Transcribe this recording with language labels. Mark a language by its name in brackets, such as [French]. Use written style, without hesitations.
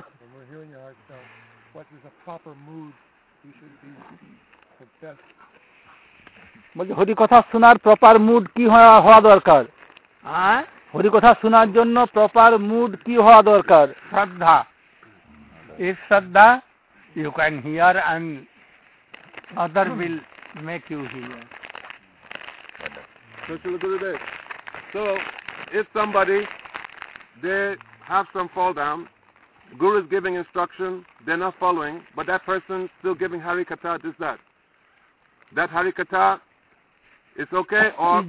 [English] When we're hearing your Hari Katha, what is a proper mood? You should be the best. [Bangla] বলছি হরি কথা শোনার proper mood কি হওয়া দরকার? হরি কথা শোনার জন্য প্রপার মুড কি হওয়া দরকার? শ্রদ্ধা. [English] If shraddha you can hear and other will make you hear. So, Gurudev, so if somebody they have some fall down, guru is giving instruction, they're not following, but that person still giving Hari Katha, does that? That Hari Katha is okay or